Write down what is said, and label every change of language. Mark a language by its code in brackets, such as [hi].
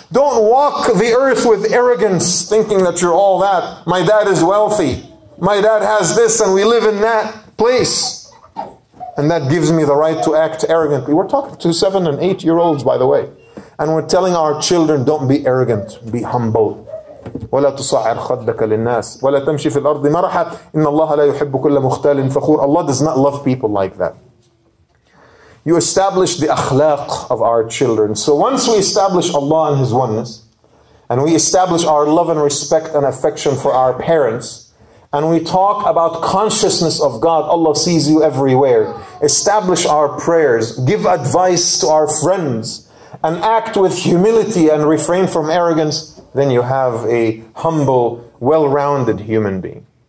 [en] Don't walk the earth with arrogance, thinking that you're all that. My dad is wealthy. My dad has this and we live in that place. And that gives me the right to act arrogantly. We're talking to 7 and 8 year olds, by the way. And we're telling our children, don't be arrogant, be humble. [ar] ولا تصعر خدك للناس ولا تمشي في الأرض مرحا إن الله لا يحب كل مختال فخور [en] Allah does not love people like that. You establish the akhlaq of our children. So once we establish Allah and His oneness, and we establish our love and respect and affection for our parents, and we talk about consciousness of God, Allah sees you everywhere. Establish our prayers, give advice to our friends, and act with humility and refrain from arrogance, then you have a humble, well-rounded human being.